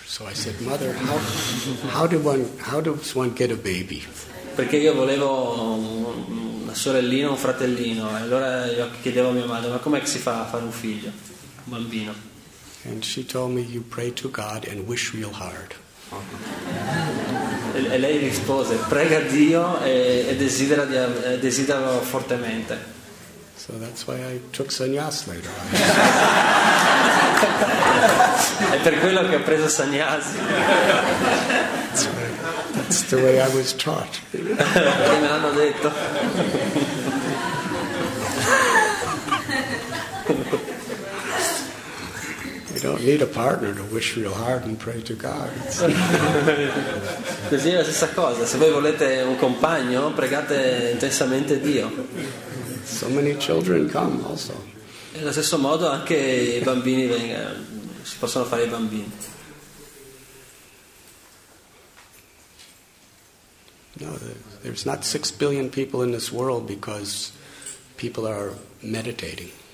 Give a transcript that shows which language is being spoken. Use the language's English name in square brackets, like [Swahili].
[English] So I said, mother, how does one get a baby? [Italian] Perché io volevo una sorellina o un fratellino, e allora io chiedevo a mia madre, ma com'è che si fa a fare un figlio, un bambino? [English] And she told me, you pray to God and wish real hard. [Italian] E lei rispose, prega Dio e desidera fortemente. [English] So that's why I took sannyas later. [Italian] È per quello che ho preso sannyasi. [English] That's the way I was taught. [Italian] Che me l'hanno detto. [English] You don't need a partner to wish real hard and pray to God. [Italian] Così è la stessa cosa. Se voi volete un compagno, pregate intensamente Dio. [English] So many children come also. [Italian] E allo stesso modo anche i bambini vengono, si possono fare i bambini. [English] No, there's not 6 billion people in this world because people are meditating.